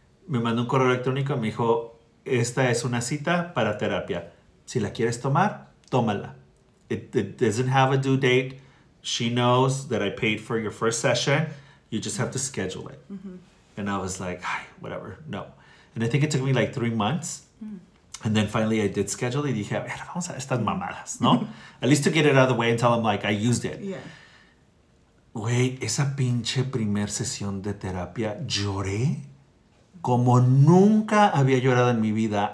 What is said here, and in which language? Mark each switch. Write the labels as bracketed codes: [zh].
[es] Me mandó un correo electrónico y me dijo, esta es una cita para terapia. Si la quieres tomar, tómala. [en] It doesn't have a due date. She knows that I paid for your first session. You just have to schedule it. Mm-hmm. And I was like, whatever, no. And I think it took me like 3 months. And then finally I did schedule it. [es] Dije, vamos a estas mamadas, ¿no? [en] At least to get it out of the way and tell them, like, I used it. Yeah. [es] Güey, esa pinche primer sesión de terapia, lloré como nunca había llorado en mi vida.